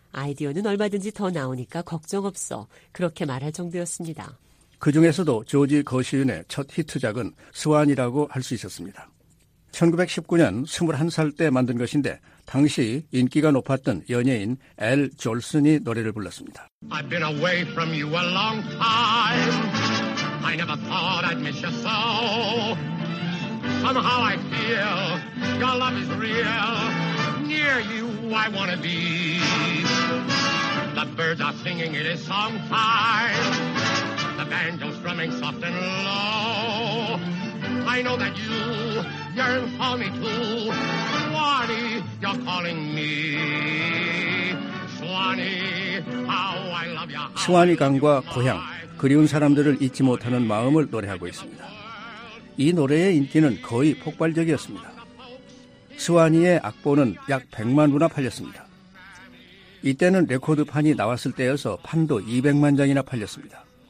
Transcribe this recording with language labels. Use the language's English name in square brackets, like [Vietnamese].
[Korean] 아이디어는 얼마든지 더 나오니까 걱정 없어 그렇게 말할 정도였습니다. 그 중에서도 조지 거슈인의 첫 히트작은 스완이라고 할 수 있었습니다. 1919년 21살 때 만든 것인데 당시 인기가 높았던 연예인 엘 졸슨이 노래를 불렀습니다. [English] I've been away from you a long time. I never thought I'd miss you so. Somehow I feel your love is real. Near you I want to be. The birds are singing, it is song time. The banjo's drumming soft and low. I know that you yearn for me too. Swanee, you're calling me. Swanee, how I love you. [Korean] 스와니 강과 고향, 그리운 사람들을 잊지 못하는 마음을 노래하고 있습니다. 이 노래의 인기는 거의 폭발적이었습니다. 스와니의 악보는 약 100만 부나 팔렸습니다. 이때는 레코드판이 나왔을 때여서 판도 200만 장이나 팔렸습니다.